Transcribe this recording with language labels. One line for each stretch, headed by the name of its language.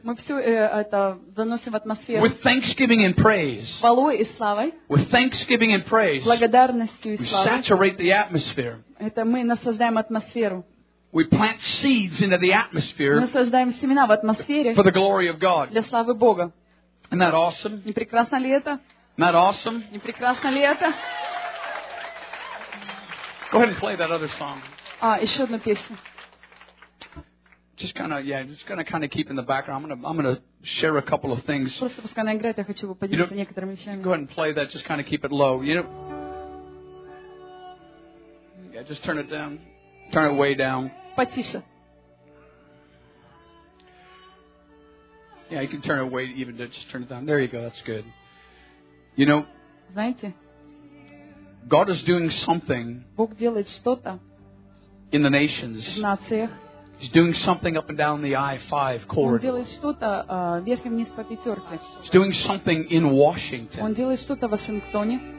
Russian: Мы всё это заносим в атмосферу.
English: With thanksgiving and praise.
Russian: Хвалой и славой.
English: With thanksgiving and praise.
Russian: Благодарностью и славой.
English: We saturate the atmosphere.
Russian: Это мы насаждаем атмосферу.
English: We plant seeds into the atmosphere for the glory of God.
Russian: Для славы Бога.
English: Isn't that awesome?
Russian: Не прекрасно ли это?
English: Isn't that awesome?
Russian: Не прекрасно ли это?
English: Go ahead and play that other song.
Russian: А, еще одну песню.
English: Just kind of, yeah, just going to kind of keep in the background. I'm going to share a couple of things.
Russian: Просто пускай она играет, я хочу поделиться некоторыми вещами.
English: Go ahead and play that, just kind of keep it low. You know, yeah, just turn it down. Turn it way down.
Russian: Потише.
English: Yeah, you can turn it away, even to just turn it down. There you go, that's good. You know,
Russian: знаете,
English: God is doing something.
Russian: Бог делает что-то.
English: In the nations.
Russian: В нациях.
English: He's doing something up and down the I-5 corridor.
Russian: Он делает что-то верхом вниз по пятерке.
English: He's doing something in Washington.
Russian: Он делает что-то в Вашингтоне.